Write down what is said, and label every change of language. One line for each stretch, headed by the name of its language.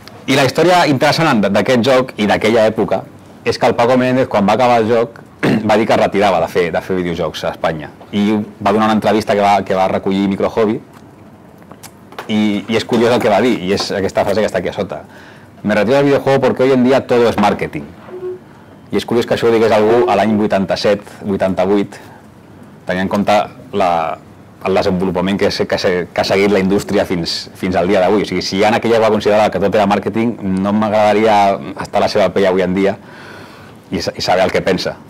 Catalan: I la història interessant d'aquest joc i d'aquella època és que el Paco Menéndez, quan va acabar el joc, va dir que es retirava de fer videojocs a Espanya. I va donar una entrevista que va recollir Microhobby, i és curiós el que va dir, i és aquesta frase que està aquí a sota.
Spanish: Me retiro del videojuego porque hoy en día todo es marketing.
Catalan: I és curiós que això ho digués algú a l'any 87-88, tenint en compte el desenvolupament que ha seguit la indústria fins al dia d'avui. O sigui, si ja en aquella va considerar que tot era màrqueting, no m'agradaria estar a la seva pell avui en dia i saber el que pensa.